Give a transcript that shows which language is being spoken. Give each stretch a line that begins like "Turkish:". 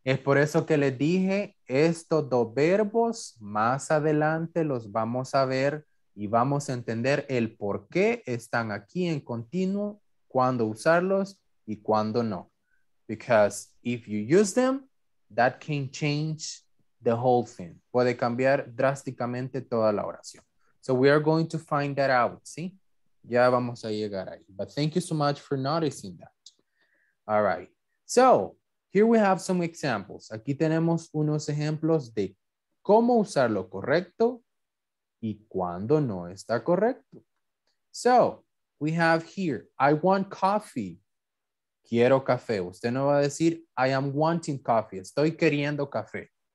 Spanish: Es por eso que les dije, estos dos verbos más adelante los vamos a ver y vamos a entender el por qué están aquí en continuo, cuándo usarlos y cuándo no.
English: Because if you use them, that can change the whole thing.
Spanish: Puede cambiar drásticamente toda la oración.
English: So we are going to find that out, ¿sí?
Spanish: Ya vamos a llegar ahí.
English: But thank you so much for noticing that. All right. So here we have some examples.
Spanish: Aquí tenemos unos ejemplos de cómo usar lo correcto y cuándo no está correcto.
English: So we have here, I want coffee.
Spanish: Quiero café. Usted no va a decir,
English: I am wanting coffee.
Spanish: Estoy queriendo café.